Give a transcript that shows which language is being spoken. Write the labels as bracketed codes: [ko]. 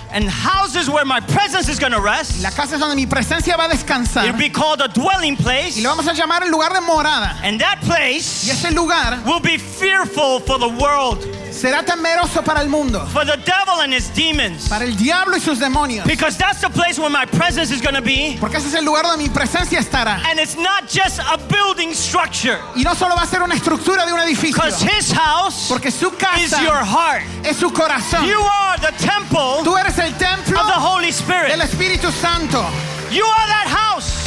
[en] And houses where my presence is going to rest. [es] La casa es donde mi presencia va a descansar. [en] It'll be called a dwelling place. [es] Y lo vamos a llamar el lugar de morada. [en] And that place, [es] y ese lugar, [en] will be fearful for the world. [es] Será temeroso para el mundo. [en] For the devil and his demons. [es] Para el diablo y sus demonios. [en] Because that's the place where my presence is going to be. [es] Porque ese es el lugar donde mi presencia estará. [en] And it's not just a building structure. [es] Y no solo va a ser una estructura de un edificio. [en] Because his house, [es] porque su casa, [en] is your heart. [es] Es su corazón. [en] You are the temple. [es] Tú eres el templo [en] of the Holy Spirit. [es] Del Espíritu Santo. [en] You are that house.